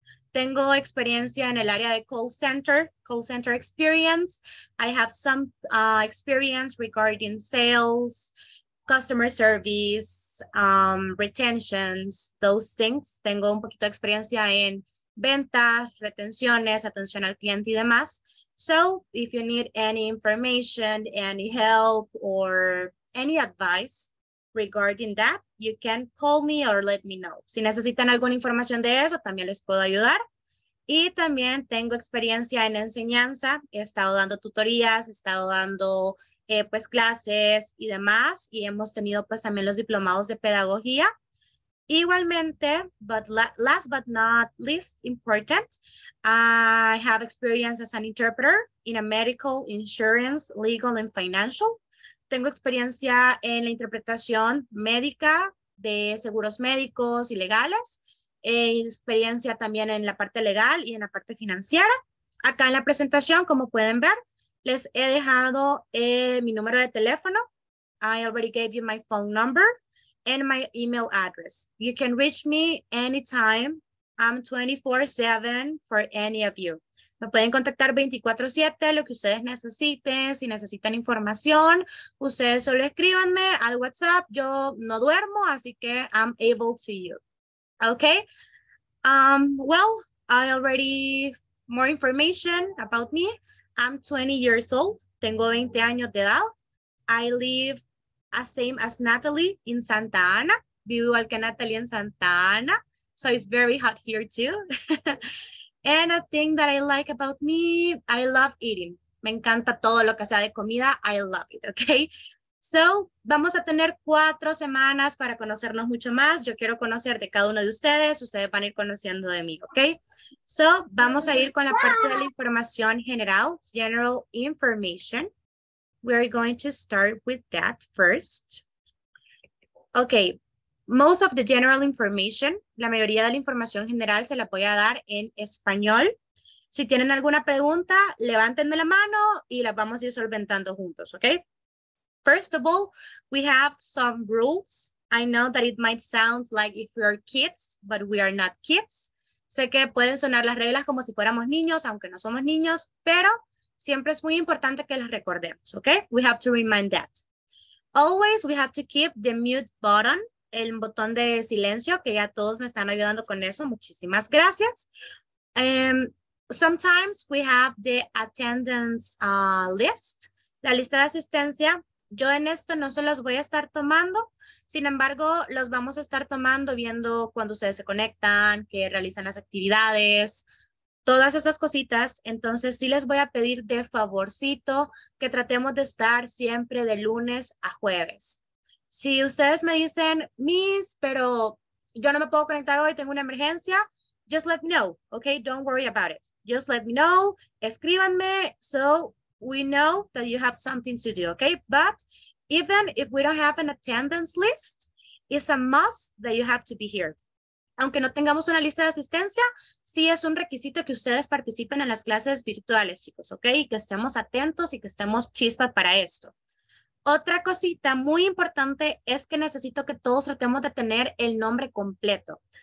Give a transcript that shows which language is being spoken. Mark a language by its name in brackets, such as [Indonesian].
[Spanish] Tengo experiencia en el área de call center experience. [English] I have some experience regarding sales, customer service, retentions, those things. [Spanish] Tengo un poquito de experiencia en ventas, retenciones, atención al cliente y demás. [English] So, if you need any information, any help, or any advice regarding that, you can call me or let me know. [Spanish] Si necesitan alguna información de eso, también les puedo ayudar. Y también tengo experiencia en enseñanza. He estado dando tutorías, he estado dando clases y demás. Y hemos tenido pues también los diplomados de pedagogía. [English] Igualmente, but last but not least important, I have experience as an interpreter in a medical, insurance, legal and financial. [Spanish] Tengo experiencia en la interpretación médica de seguros médicos y legales. Experiencia también en la parte legal y en la parte financiera. Acá en la presentación, como pueden ver, les he dejado mi número de teléfono. [English] I already gave you my phone number and my email address. You can reach me anytime. I'm 24/7 for any of you. [Spanish] Me pueden contactar 24/7, lo que ustedes necesiten. Si necesitan información, ustedes solo escríbanme al WhatsApp. Yo no duermo, así que [English] I'm able to you. Okay? I already more information about me. I'm 20 years old. [Spanish] Tengo 20 años de edad. [English] I live as same as Natalie in Santa Ana. [Spanish] Vivo igual que Natalie en Santa Ana. [English] So it's very hot here too. And a thing that I like about me, I love eating. [Spanish] Me encanta todo lo que sea de comida. [English] I love it, okay? So, [Spanish] vamos a tener 4 semanas para conocernos mucho más. Yo quiero conocer de cada uno de ustedes. Ustedes van a ir conociendo de mí, okay? So, vamos a ir con la parte de la información general, [English] general information. We're going to start with that first. Okay. Most of the general information, [Spanish] la mayoría de la información general se la voy a dar en español. Si tienen alguna pregunta, levántenme la mano y la vamos a ir solventando juntos, ¿ok? [English] First of all, we have some rules. I know that it might sound like if we are kids, but we are not kids. [Spanish] Sé que pueden sonar las reglas como si fuéramos niños, aunque no somos niños, pero siempre es muy importante que las recordemos, okay? [English] We have to remind that. Always we have to keep the mute button, [Spanish] el botón de silencio, que ya todos me están ayudando con eso. Muchísimas gracias. [English] Sometimes we have the attendance list, [Spanish] la lista de asistencia. Yo en esto no se los voy a estar tomando, sin embargo, los vamos a estar tomando viendo cuando ustedes se conectan, que realizan las actividades, todas esas cositas. Entonces, sí les voy a pedir de favorcito que tratemos de estar siempre de lunes a jueves. Si ustedes me dicen, Miss, pero yo no me puedo conectar hoy, tengo una emergencia, [English] just let me know, okay? Don't worry about it. Just let me know, [Spanish] escríbanme, [English] so we know that you have something to do, okay? But even if we don't have an attendance list, it's a must that you have to be here. [Spanish] Aunque no tengamos una lista de asistencia, sí es un requisito que ustedes participen en las clases virtuales, chicos, okay? Y que estemos atentos y que estemos chispa para esto. Otra cosita muy importante es que necesito que todos tratemos de tener el nombre completo.